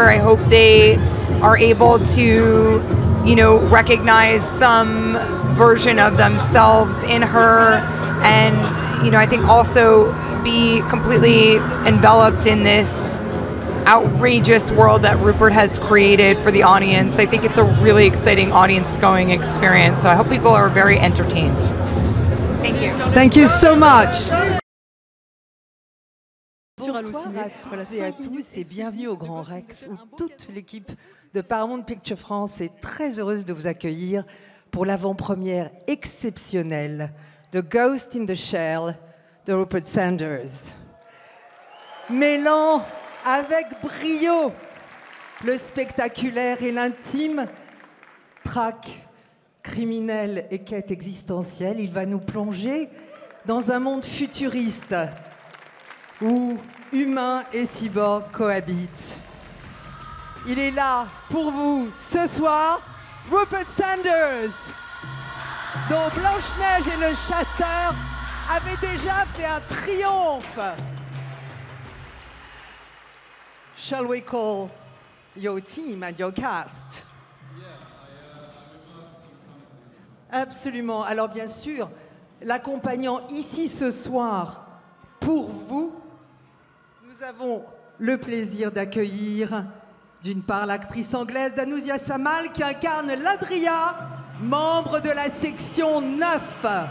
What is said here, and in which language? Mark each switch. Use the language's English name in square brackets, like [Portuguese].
[English] I hope they are able to, you know, recognize some version of themselves in her, and you know, I think also be completely enveloped in this outrageous world that Rupert has created for the audience. I think it's a really exciting audience-going experience, so I hope people are very entertained. Thank you. Thank you so much. [French] Bonsoir à toutes et à tous et bienvenue au Grand Rex où toute l'équipe de Paramount Picture France est très heureuse de vous accueillir pour l'avant-première exceptionnelle de Ghost in the Shell de Rupert Sanders. Mêlant avec brio le spectaculaire et l'intime, traque criminelle et quête existentielle, il va nous plonger dans un monde futuriste où humains et cyborgs cohabitent. Il est là pour vous ce soir, Rupert Sanders, dont Blanche-Neige et le chasseur avaient déjà fait un triomphe. [English] Shall we call your team and your cast? [French] Absolument. Alors bien sûr, l'accompagnant ici ce soir pour vous, nous avons le plaisir d'accueillir d'une part l'actrice anglaise Danousia Samal qui incarne l'Adria, membre de la section 9.